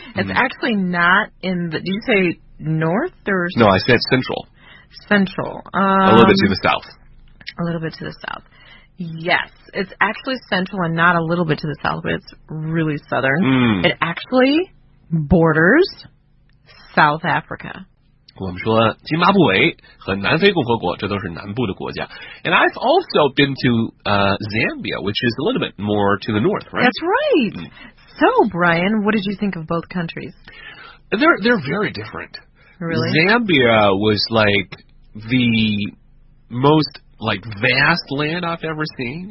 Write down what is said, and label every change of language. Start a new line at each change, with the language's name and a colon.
English: It's actually not in the... Did you say north or... No, I said central. Central. A little bit to the south. A little bit to the south. Yes, it's actually central and not a little bit to the south, but it's really southern. Mm. It actually borders South Africa.
Chinese: 我们说津巴布韦和南非共和国，这都是南部的国家。
English: And I've also been to Zambia, which is a little bit more to the north, right? That's right. Mm. So, Brian, what did you think of both countries? They're very different. Really? Zambia was like the most like vast land I've ever seen.